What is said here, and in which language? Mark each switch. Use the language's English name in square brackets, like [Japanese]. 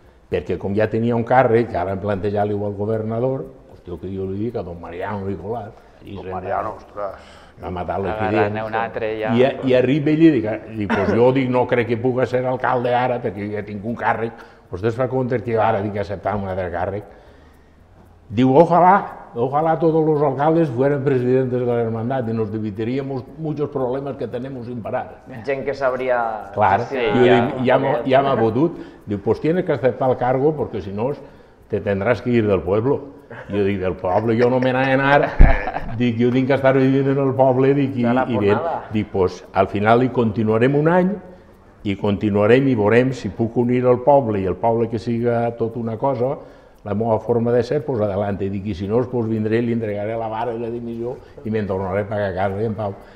[Catalan] Perquè com ja tenia un càrrec, que ara em plantejava el governador, hòstia, que jo li dic a don Mariano Nicolás. Don Mariano, ostres. M'ha matat l'epidèmia. Ara n'hi ha un altre, ja. I arriba ell i dic, doncs jo dic, no crec que pugui ser alcalde ara, perquè jo ja tinc un càrrec. Vostè es fa compte que jo ara tinc que acceptar un altre càrrec. [Spanish] Diu, ojalá todos los alcaldes fueran presidentes de la hermandad y nos evitaríamos muchos problemas que tenemos sin parar. [Catalan] Gent que sabria... Clar, jo dic, ja m'ha fotut. [Spanish] Diu, pues tienes que aceptar el cargo porque si no te tendrás que ir del pueblo. [Catalan] Jo dic, del poble jo no me n'he anat. Dic, jo tinc que estar vivint en el poble. Dic, pues al final hi continuarem un any i continuarem i veurem si puc unir el poble i el poble que siga tot una cosa. La meva forma de ser, doncs adelante, i dic, i si no, doncs vindré, li entregaré la vara i la dimissió i me'n tornaré per a casa, en pau.